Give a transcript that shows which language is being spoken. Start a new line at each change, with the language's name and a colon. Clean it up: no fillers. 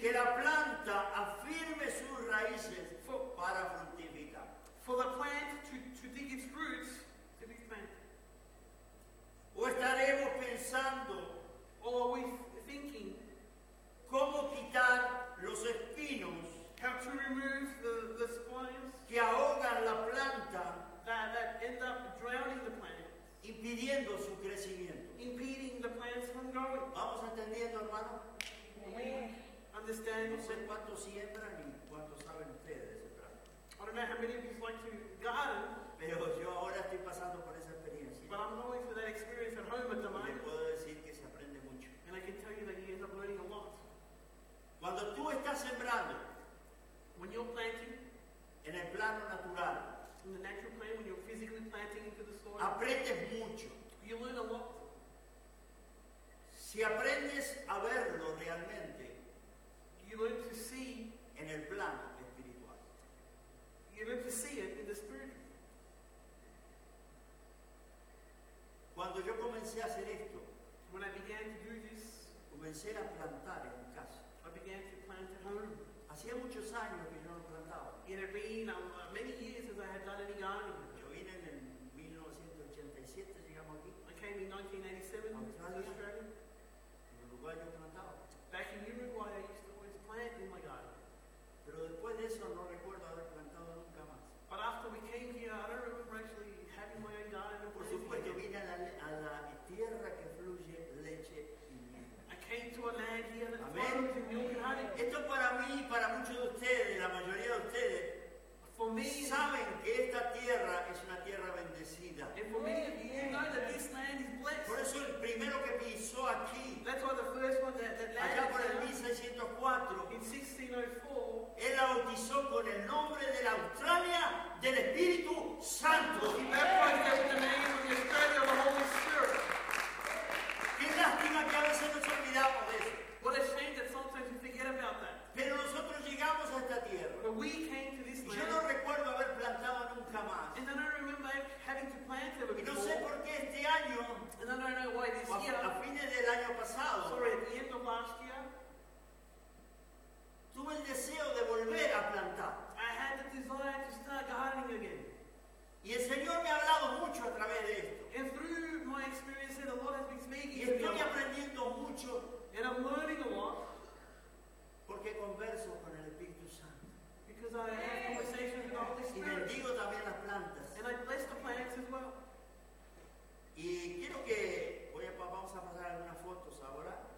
Spanish: que la planta afirme sus raíces para fructificar,
English: for the plant to dig its roots to be planted.
Spanish: O estaremos pensando,
English: or are we thinking,
Spanish: cómo quitar los espinos,
English: how to remove the spines
Spanish: que ahogan la planta,
English: that end up drowning the plant,
Spanish: impidiendo su crecimiento.
English: Impeding the plants from growing.
Spanish: ¿Vamos entendiendo, hermano?
English: Understand.
Spanish: No sé cuánto siembran y cuánto saben ustedes de ese trabajo.
English: I don't know how many of you like to garden.
Spanish: Pero yo ahora estoy pasando por esa experiencia.
English: But I'm going through that experience at home at the moment.
Spanish: Le puedo decir que se aprende mucho.
English: And I can tell you that you end up learning a lot.
Spanish: Cuando tú estás sembrando,
English: when you're planting,
Spanish: en el plano natural,
English: in the natural plane, when you're physically planting into the soil,
Spanish: aprendes mucho.
English: You learn a lot.
Spanish: Si aprendes a verlo realmente,
English: you learn to see
Spanish: en el plano espiritual.
English: You learn to see it in the spirit.
Spanish: Cuando yo comencé a hacer esto,
English: when I began to do this,
Spanish: comencé a plantar en casa.
English: I began to plant at home.
Spanish: Hacía muchos años que yo no plantaba.
English: It had been many years since I had done any gardening.
Spanish: Yo vine en 1987, llegamos aquí.
English: I came in 1987 to Australia.
Spanish: En Uruguay yo plantaba.
English: Back in Uruguay, I used to always plant in my garden.
Spanish: Pero después de eso, no recuerdo haber plantado nunca más.
English: But after we came here, I don't remember actually having my own garden.
Spanish: Por supuesto, vine a la tierra que fluye leche y miel.
English: I came to a land here that flows with milk and honey.
Spanish: Esto para mí y para muchos de ustedes, la mayoría de ustedes,
English: for me,
Spanish: saben que esta tierra es una tierra bendecida.
English: And for many of you know that this land is blessed.
Spanish: Por eso el primero que pisó aquí,
English: that's why the first one that landed,
Spanish: allá por el 1604,
English: in 1604,
Spanish: él la bautizó con el nombre de la Australia del Espíritu Santo.
English: He baptized them with the name of the Australia of the Holy Spirit.
Spanish: Lástima que a veces nos olvidamos de eso.
English: What a shame that sometimes we forget about that.
Spanish: Pero nosotros llegamos a esta tierra.
English: But we came to this land.
Spanish: Yo no recuerdo haber plantado nunca más.
English: And I don't remember having to plant ever before.
Spanish: Y no sé por qué este año.
English: And I don't know why this year.
Spanish: A fines del año pasado.
English: Sorry, at the end of last year.
Spanish: Tuve el deseo de volver a plantar.
English: I had the desire to start gardening again.
Spanish: Y el Señor me ha hablado mucho a través de esto.
English: And through my experience, the Lord has been speaking.
Spanish: Y estoy aprendiendo mucho.
English: And I'm learning a lot.
Spanish: Porque converso con el Espíritu Santo.
English: Because I have conversations with the Holy Spirit.
Spanish: Y bendigo también las plantas.
English: And I bless the plants as well.
Spanish: Y quiero que vamos a pasar algunas fotos ahora.